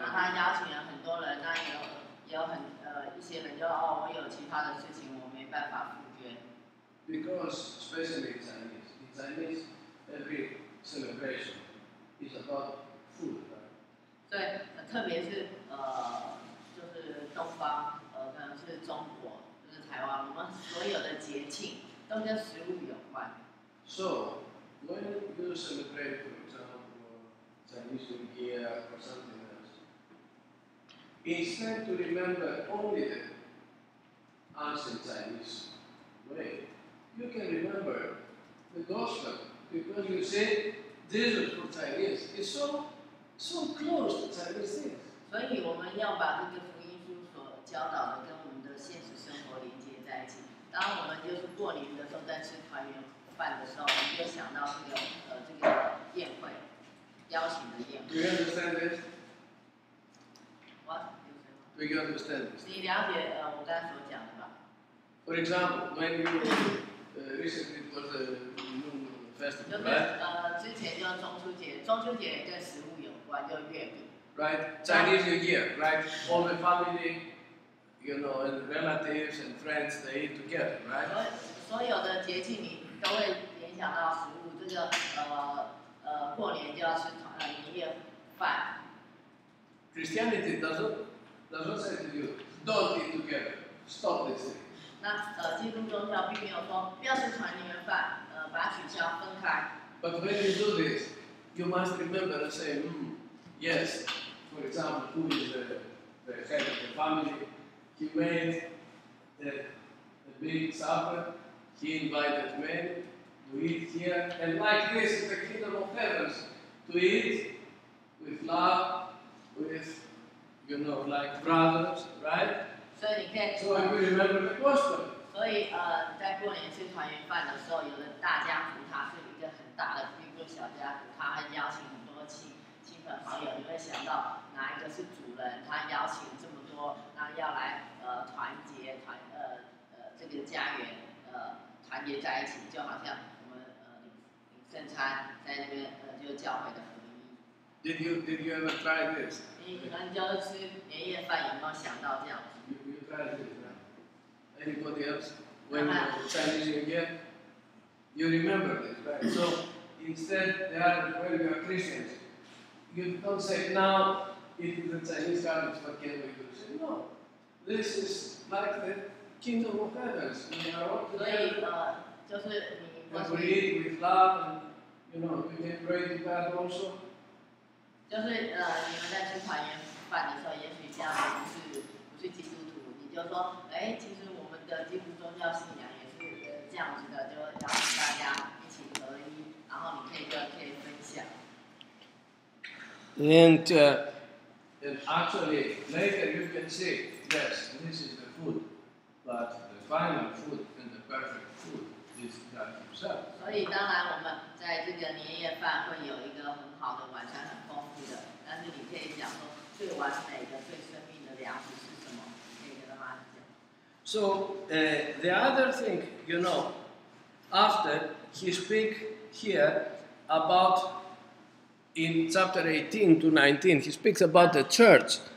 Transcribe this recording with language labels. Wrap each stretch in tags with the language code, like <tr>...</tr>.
<zh>那他邀请了很多人，那也有很一些人就我有其他的事情，我没办法赴约。</zh> <en>Because especially in Chinese, every celebration is about food, right?</en> <zh>对，特别是就是东方可能是中国。台湾，我们所有的节庆都跟食物有关。</zh> <en>So, when you celebrate, for example, Chinese New Year or something else, instead to remember only the ancient Chinese way, you can remember the gospel because you say Jesus for Chinese is so close to Chinese things.</en> <zh>所以我们要把这个福音书所教导的跟我们的现实生活里。当我们就是过年的时候在吃团圆饭的时候，我们就想到这个宴会，邀请的宴会。</zh> <en>Do you understand this? What? Do you understand this?</en> <zh>你了解我刚才所讲的吧</zh> <en>？For example, when you recently was the festival, right?</en> <zh>之前就中秋节跟食物有关，就月饼。</zh> <en>Right, Chinese New Year, right? All the family. You know, and relatives and friends, they eat together, right?</en> <zh>所有的节庆你都会联想到食物，这个过年就要吃年夜饭。</zh> <en>Christianity doesn't say to you, don't eat together, stop this thing.</en> <zh>那基督宗教并没有说不要吃团圆饭，把它取消，分开。</zh> <en>But when you do this, you must remember to say, yes. For example, who is the head of the family? He made the big supper. He invited men to eat here, and like this is the kingdom of heavens to eat with love, with you know, like brothers, right? So you can. So we remember the gospel.</en> <zh>所以在过年吃团圆饭的时候，有的大家族他是一个很大的，一个小家族，他还邀请很多亲朋好友，你会想到哪一个是主人？他邀请这么多，那要来。团结团这个家园团结在一起，就好像我们领圣餐在那边就是教会的福音。</zh> <en>Did you ever try this？</en> <zh>你们就吃年夜饭有没有想到这样子</zh> <en>？You tried this, right? Anybody else? When Chinese New Year, you remember this, right? So instead, when you are Christians, you don't say now if the Chinese garbage, what can we do? Say no. This is like the kingdom of heavens. We are all together. We eat with love, and you know, we can pray to God also.</en> <zh>就是你们在吃团圆饭的时候，也许这样不是基督徒，你就说，其实我们的基督宗教信仰也是这样子的，就邀请大家一起合一，然后你可以分享。</zh> <en>And actually, later you can see. Yes, this is the food, but the final food and the perfect food is God Himself.</en> <zh>所以当然我们在这个年夜饭会有一个很好的晚餐，很丰富的。但是你可以讲说最完美的、最生命的粮食是什么？可以跟大家讲。</zh> <en>So the other thing, you know, after he speak here about in chapter 18 to 19, he speaks about the church.</en>